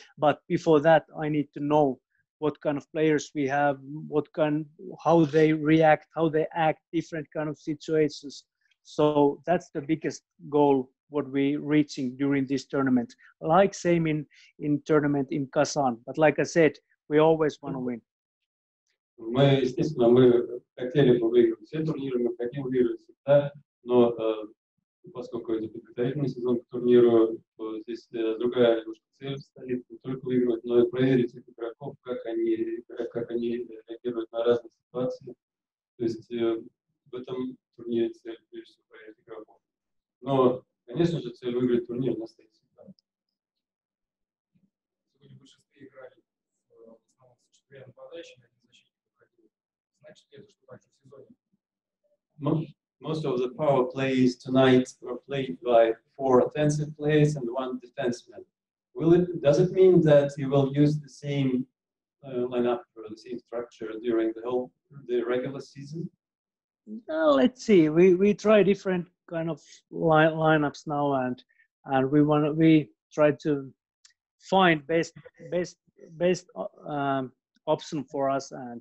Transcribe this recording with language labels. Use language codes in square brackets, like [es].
[en] But before that, I need to know what kind of players we have, how they react, how they act, different kind of situations. So that's the biggest goal what we reaching during this tournament. Like same in tournament in Kazan. But like I said, we always want to win. [ru] Мы, естественно, мы хотели бы выиграть все турниры, мы хотим выиграть всегда, но поскольку это подготовительный сезон к турниру, то здесь другая немножко цель стоит, не только выигрывать, но и проверить этих игроков, как они реагируют на разные ситуации. То есть в этом турнире цель прежде всего проверить игроков. Но, конечно же, цель выиграть турнир у нас стоит всегда. Сегодня большинство играли в основном с четырьмя нападающими, а не защитниками проходили. Значит ли это, что так в сезоне? [en] Most of the power plays tonight were played by four offensive players and one defenseman. Does it mean that you will use the same lineup or the same structure during the regular season? Let's see. We try different kind of lineups now, and we try to find best option for us.